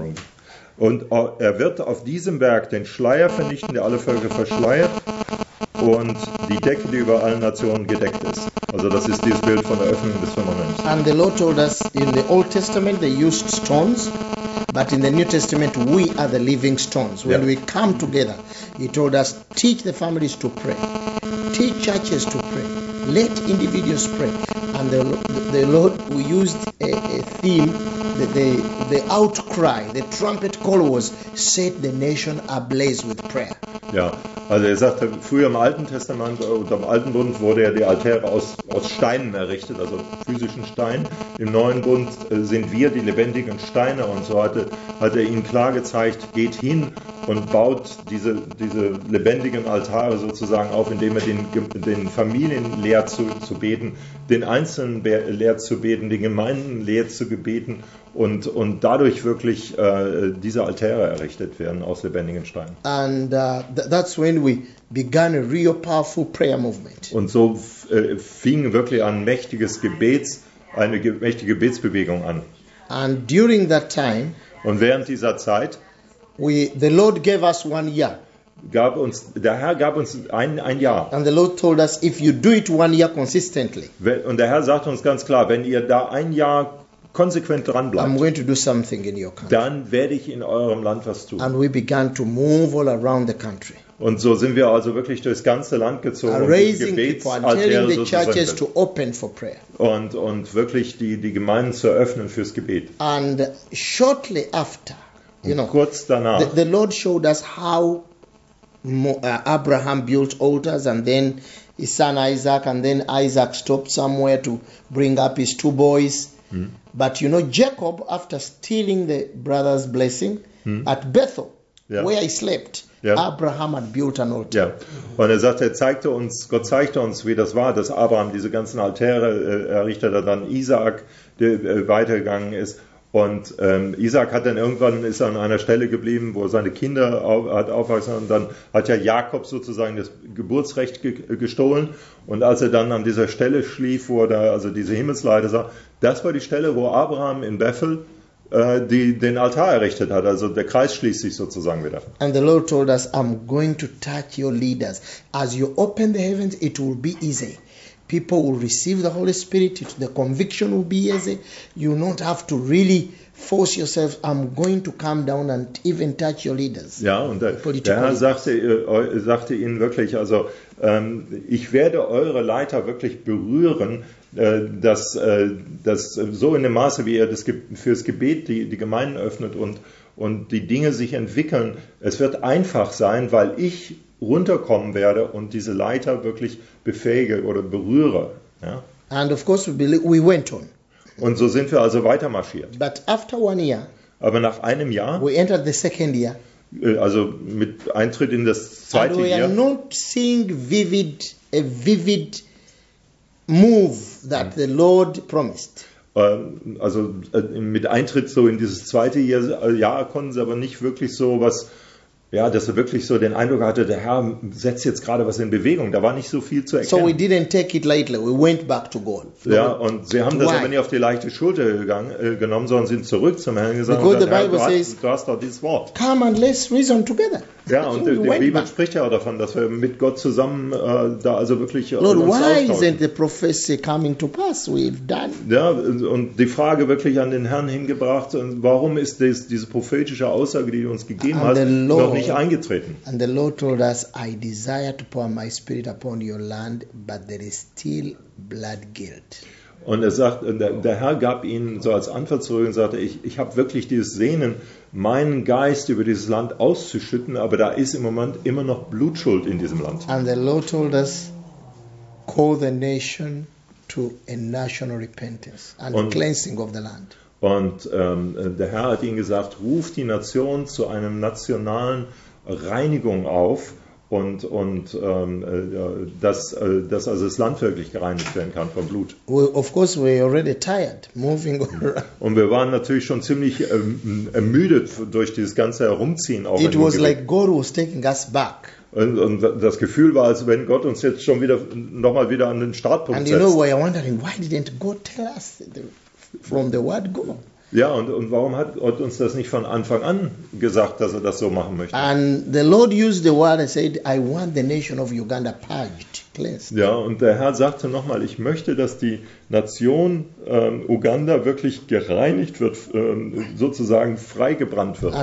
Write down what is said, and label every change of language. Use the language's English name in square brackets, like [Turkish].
[English] Yeah, I wasn't wrong. [German] Und er wird auf diesem Berg den Schleier vernichten, der alle Völker verschleiert, und die Decke, die über allen Nationen gedeckt ist. Also das ist dieses Bild von der Öffnung des Firmaments. [English] And the Lord told us, in the Old Testament they used stones, but in the New Testament we are the living stones. When we come together, he told us, teach the families to pray, teach churches to pray, let individuals pray. And the Lord, we used a theme, the outcry, the trumpet call was, set the nation ablaze with prayer. [German] Ja, also er sagte, früher im Alten Testament und im Alten Bund wurde ja die Altäre aus Steinen errichtet, also physischen Steinen. Im Neuen Bund sind wir die lebendigen Steine, und so hat er ihnen klar gezeigt, geht hin und baut diese lebendigen Altäre sozusagen auf, indem er den Familien lehrt zu beten, den Einzelnen lehrt zu beten, den Gemeinden lehrt zu gebeten, und dadurch wirklich diese Altäre errichtet werden aus lebendigen Steinen. [English] And that's when we began a real powerful prayer movement. [German] Und so fing wirklich ein mächtiges Gebets, eine mächtige Gebetsbewegung an. [English] And during that time, [German] und während dieser Zeit, [English] the Lord gave us 1 year. [German] Gab uns, der Herr gab uns ein Jahr. [English] And the Lord told us, if you do it 1 year consistently. [German] Und der Herr sagte uns ganz klar, wenn ihr da ein Jahr konsequent dran bleibt, [English] I'm going to do something in your country. [German] Dann werde ich in eurem Land was tun. [English] And we began to move all around the country. [German] Und so sind wir also wirklich durchs ganze Land gezogen, [English] raising people and telling the churches to open for prayer. [German] Und wirklich die Gemeinden zu öffnen fürs Gebet. [English] And shortly after, you know, [German] kurz danach, [English] the Lord showed us how Abraham built altars, and then his son Isaac, and then Isaac stopped somewhere to bring up his 2 boys. But you know, Jacob, after stealing the brother's blessing at Bethel, where he slept, Abraham had built an altar. [German] Ja. Und er sagte, Gott zeigte uns, wie das war, dass Abraham diese ganzen Altäre errichtete, dann Isaac, der weitergegangen ist. Und Isaac hat dann irgendwann ist an einer Stelle geblieben, wo seine Kinder hat aufwachsen, und dann hat ja Jakob sozusagen das Geburtsrecht gestohlen. Und als er dann an dieser Stelle schlief, wo er da also diese Himmelsleiter sah, das war die Stelle, wo Abraham in Bethel den Altar errichtet hat. Also der Kreis schließt sich sozusagen wieder. [English] And the Lord told us, I'm going to touch your leaders. As you open the heavens, it will be easy. People will receive the Holy Spirit. The conviction will be easy. You don't have to really force yourself. I'm going to come down and even touch your leaders. [German] Ja, und der Herr sagte ihnen wirklich, also ich werde eure Leiter wirklich berühren, dass so in dem Maße, wie ihr das fürs Gebet die Gemeinden öffnet und die Dinge sich entwickeln, es wird einfach sein, weil ich runterkommen werde und diese Leiter wirklich befähige oder berühre. Ja? [English] And of course we went on. [German] Und so sind wir also weitermarschiert. [English] But after 1 year, [German] aber nach einem Jahr, [English] we entered the second year, [German] also mit Eintritt in das zweite [English] and we [German] Jahr, [English] are not seeing a vivid move that the Lord promised. [German] Also mit Eintritt so in dieses zweite Jahr konnten sie aber nicht wirklich so was. Ja, dass er wirklich so den Eindruck hatte, der Herr setzt jetzt gerade was in Bewegung. Da war nicht so viel zu erkennen. [English] So we didn't take it lightly. We went back to God. [German] Ja, und sie haben das aber nicht auf die leichte Schulter genommen, sondern sind zurück zum Herrn gesagt. [English] Because the Bible says, [German] du hast doch dieses Wort. [English] Come and let's reason together. [German] Ja, und die Bibel spricht ja auch davon, dass wir mit Gott zusammen da also wirklich uns austauschen. [English] Lord, why isn't the prophecy coming to pass? We've done. [German] Ja, und die Frage wirklich an den Herrn hingebracht, und warum ist diese prophetische Aussage, die du uns gegeben hast, noch nicht eingetreten? [English] And the Lord told us, I desire to pour my spirit upon your land, but there is still blood guilt. [German] Und er sagt, der Herr gab ihnen so als Antwort zurück und sagte, ich habe wirklich dieses Sehnen, meinen Geist über dieses Land auszuschütten, aber da ist im Moment immer noch Blutschuld in diesem Land. [English] And the Lord told us, call the nation to a national repentance and cleansing of the land. [German] Und der Herr hat ihnen gesagt, ruf die Nation zu einer nationalen Reinigung auf, dass also das Land wirklich gereinigt werden kann vom Blut. [English] Well, of course we're already tired moving around. [German] Und wir waren natürlich schon ziemlich ermüdet durch dieses ganze Herumziehen. Auch [English] it was like God was taking us back. [German] Und das Gefühl war, als wenn Gott uns jetzt schon wieder nochmal wieder an den Startpunkt setzt. [English] And you know, we are wondering, why didn't God tell us from the word go? [German] Ja, und warum hat Gott uns das nicht von Anfang an gesagt, dass er das so machen möchte? [English] And the Lord used the word and said, I want the nation of Uganda purged, cleansed. [German] Ja, und der Herr sagte nochmal, ich möchte, dass die Nation Uganda wirklich gereinigt wird, sozusagen freigebrannt wird.